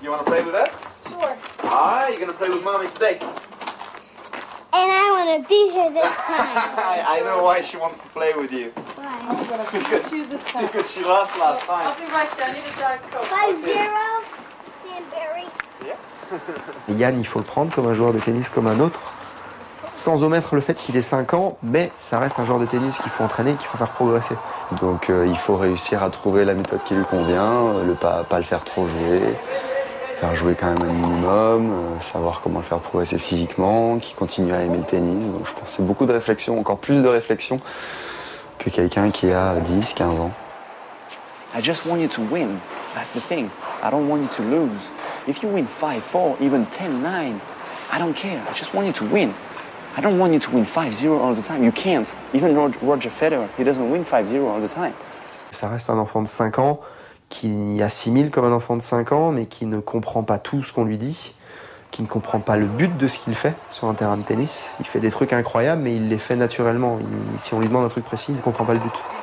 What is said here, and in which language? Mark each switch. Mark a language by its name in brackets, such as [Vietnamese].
[English] You want to play with us? Sure. All right, you're going to play with Mommy today. And I want to be here this time. I know why she wants to play with you. Why? I'm going to you this time. Because she lost last time. I'll be right there. I need a Diet Coke. 5-0, Sam Barry. [French] Yann, il faut le prendre comme un joueur de tennis comme un autre, sans omettre le fait qu'il ait 5 ans, mais ça reste un joueur de tennis qu'il faut entraîner, qu'il faut faire progresser. Donc il faut réussir à trouver la méthode qui lui convient, ne pas le faire trop jouer, faire jouer quand même un minimum, savoir comment le faire progresser physiquement, qu'il continue à aimer le tennis. Donc je pense que c'est beaucoup de réflexion, encore plus de réflexion que quelqu'un qui a 10, 15 ans. [English] I just want you to win. That's the thing. I don't want you to lose. If you win 5-4, even 10-9, I don't care. I just want you to win. I don't want you to win 5-0 all the time. You can't. Even Roger Federer, he doesn't win 5-0 all the time. [French] Ça reste un enfant de 5 ans qui assimile comme un enfant de 5 ans, mais qui ne comprend pas tout ce qu'on lui dit, qui ne comprend pas le but de ce qu'il fait sur un terrain de tennis. Il fait des trucs incroyables, mais il les fait naturellement. Si on lui demande un truc précis, il ne comprend pas le but.